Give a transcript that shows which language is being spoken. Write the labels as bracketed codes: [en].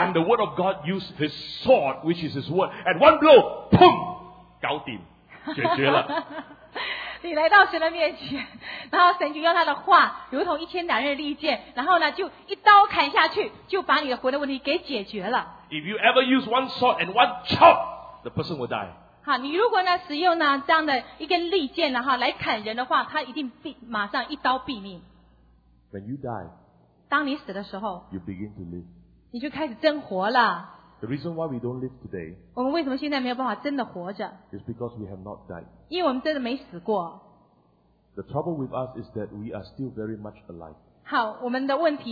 [en] And the Word of God used His sword, which is His Word, and one blow, boom, [zh] 搞定。解决了。你来到神的面前，然后神就用他的话，如同一千两刃利剑，然后呢，就一刀砍下去，就把你的魂的问题给解决了。If [en] you ever use one sword and one chop, the person will die. [zh] 好，你如果呢使用呢这样的一根利剑，然后来砍人的话，他一定马上一刀毙命。When [en] you die, [zh] 当你死的时候 [en] ，you begin to live. [zh] 你就开始真活了。 [en] The reason why we don't live today is because we have not died. The trouble with us is that we are still very much alive.